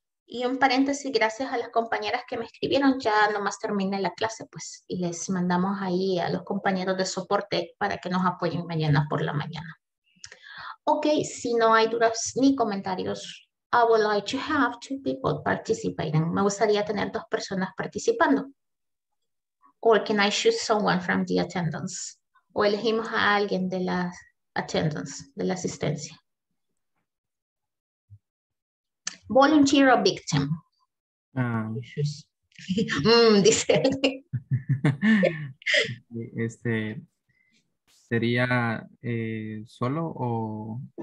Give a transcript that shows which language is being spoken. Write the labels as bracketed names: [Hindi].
[Spanish] Y un paréntesis, gracias a las compañeras que me escribieron, ya nomás terminé la clase, pues les mandamos ahí a los compañeros de soporte para que nos apoyen mañana por la mañana. [English] Ok, [Spanish] si no hay dudas ni comentarios, [English] I would like to have two people participating. [Spanish] Me gustaría tener dos personas participando. [English] Or can I choose someone from the attendance? [Spanish] O elegimos a alguien de la attendance, de la asistencia. [English] Volunteer or victim? [Spanish] Dice. Este, ¿sería solo o?